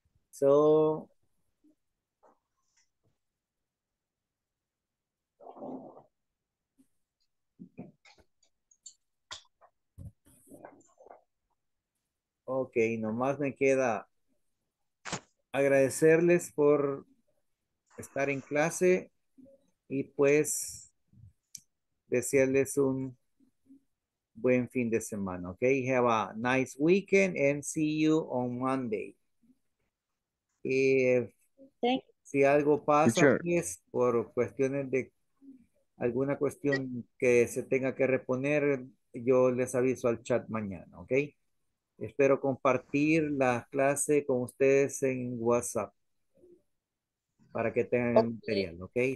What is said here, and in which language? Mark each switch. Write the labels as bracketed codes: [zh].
[es] So, ok, nomás me queda agradecerles por estar en clase y pues desearles un buen fin de semana. [en] Ok, have a nice weekend and see you on Monday. [es] If, si algo pasa, pues, por cuestiones de alguna cuestión que se tenga que reponer, yo les aviso al chat mañana, ok. Espero compartir la clase con ustedes en WhatsApp para que tengan el material, ok.